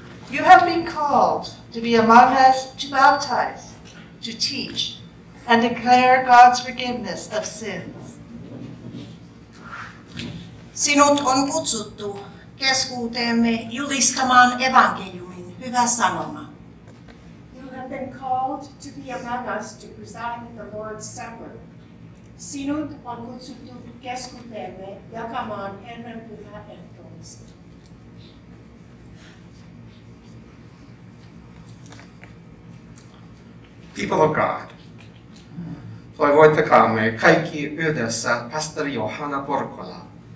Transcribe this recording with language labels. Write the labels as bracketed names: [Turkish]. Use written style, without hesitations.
[English] You have been called to be among us to baptize, to teach, and declare God's forgiveness of sins. [Finnish] Sinut on kutsuttu keskuuteemme julistamaan evankeliumin hyvä sanoma. [English] You have been called to be among us to preside at the Lord's Supper. [Finnish] Sinut on kutsuttu keskuuteemme jakamaan Herran pyhää ehtoollista. [English] People of God, [Finnish] toivoittakaamme kaikki yhdessä pastori Johanna Porkola